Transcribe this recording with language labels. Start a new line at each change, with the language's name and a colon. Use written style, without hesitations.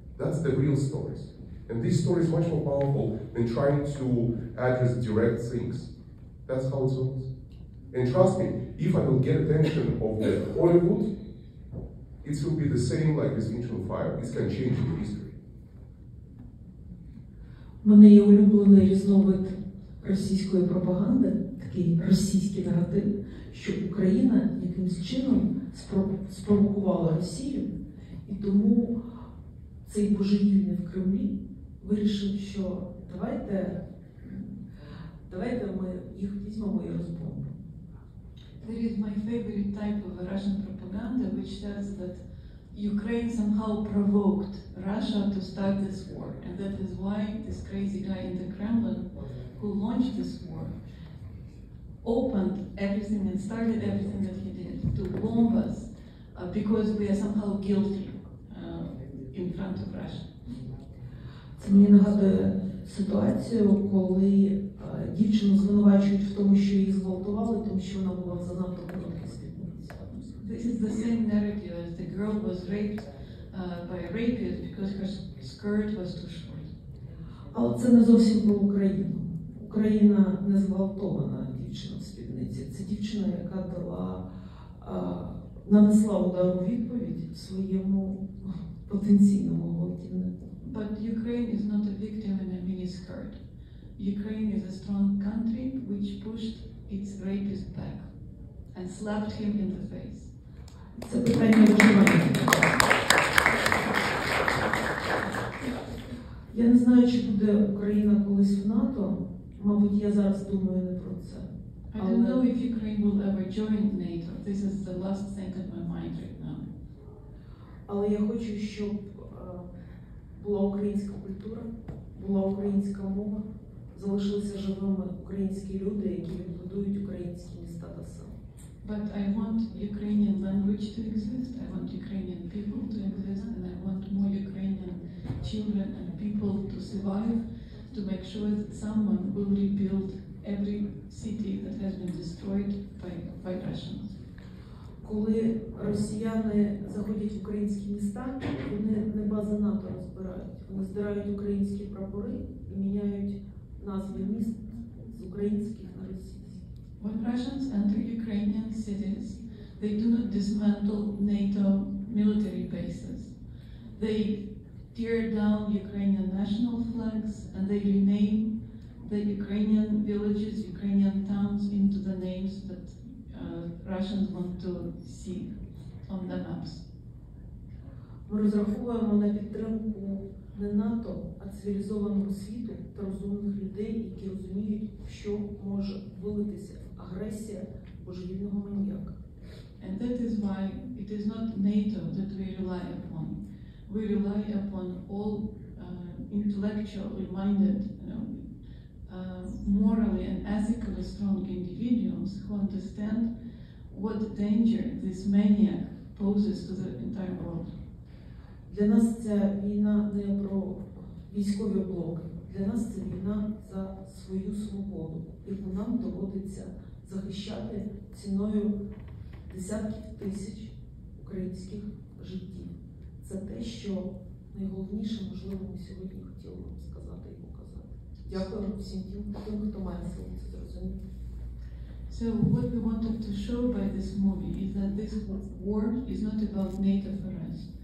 English: That's the real stories. And this story is much more powerful than trying to address direct things. That's how it works. And trust me, if I will get attention of the Hollywood, it will be the same like this Dmytro fire. This can change the history.
Ukrainian: Мене є улюблений різновид російської пропаганди, такий російський наратив, що Україна якимсь чином спровокувала Росію, і тому цей божевільний в Кремлі вирішив, що давайте ми їх візьмемо і розбомбимо.
English: There is my favorite type of Russian propaganda, which says that Ukraine somehow provoked Russia to start this war. And that is why this crazy guy in the Kremlin who launched this war opened everything and started everything that he did to bomb us because we are somehow guilty in front of Russia.
Ukrainian: Це мені нагадує ситуацію, коли дівчину звинувачують в тому, що її зґвалтували, тому що вона була занадто коротка спідниця.
English: This is the same narrative as the girl was raped by a rapist because her skirt was too short.
Ukrainian: Але це не зовсім про Україну. Україна не зґвалтована дівчина в спідниці. Це дівчина, яка дала, нанесла удару відповідь своєму потенційному голодівнику.
English: But Ukraine is not a victim in a miniskirt. Ukraine is a strong country which pushed its rapist back and slapped him in the face.
Ukrainian: Це питання виживання. Я не знаю, чи буде Україна колись в НАТО. Мабуть, я зараз думаю не про це.
English: I don't know if Ukraine will ever join NATO. This is the last thing on my mind right now.
Ukrainian: Але я хочу, щоб була українська культура, була українська мова, залишилися живими українські люди, які будують українські міста та села.
English: But I want Ukrainian language to exist, I want Ukrainian people to exist, and I want more Ukrainian children and people to survive, to make sure that someone will rebuild every city that has been destroyed by Russians.
Ukrainian: Коли росіяни заходять в українські міста, вони не бази НАТО розбирають. Вони здирають українські прапори і міняють назви міст з українських на російські.
English: When Russians enter Ukrainian cities, they do not dismantle NATO military bases. They tear down Ukrainian national flags and they rename the Ukrainian villages, Ukrainian towns into the names that Russians want to see on the maps.
Ukrainian: Ми розраховуємо на підтримку не НАТО, а цивілізованого світу та розумних людей, які розуміють, що може вилитися агресія божевільного маніяка.
English: And that is why it is not NATO that we rely upon. We rely upon all intellectually minded, morally and ethically strong individuals who understand what danger this maniac poses to the entire world.
Ukrainian: Для нас ця війна не про військові блоки. Для нас це війна за свою свободу, яку нам доводиться захищати ціною десятків тисяч українських життів. Це те, що найголовніше, можливо, ми сьогодні хотіли вам сказати і показати. Дякую всім тим, хто має силу це зрозуміти.
English: So what we wanted to show by this movie is that this war is not about NATO for us.